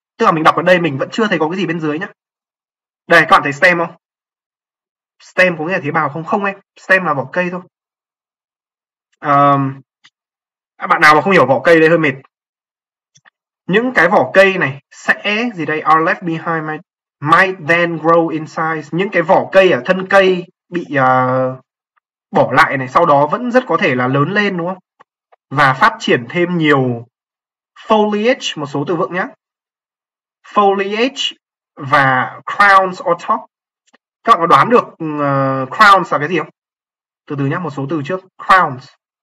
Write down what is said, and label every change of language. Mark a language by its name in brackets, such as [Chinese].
[Vietnamese] Tức là mình đọc ở đây mình vẫn chưa thấy có cái gì bên dưới nhá. Đây các bạn thấy stem không? Stem có nghĩa là tế bào không? Không em, stem là vỏ cây thôi. Bạn nào mà không hiểu vỏ cây đây hơi mệt. Những cái vỏ cây này sẽ gì đây? [English] Are left behind might then grow in size. [Vietnamese] Những cái vỏ cây ở thân cây bị bỏ lại này, sau đó vẫn rất có thể là lớn lên đúng không? Và phát triển thêm nhiều foliage, một số từ vựng nhé. Foliage và [English] crowns or top. [Vietnamese] Các bạn có đoán được crowns là cái gì không? Từ từ nhé, một số từ trước. Crowns.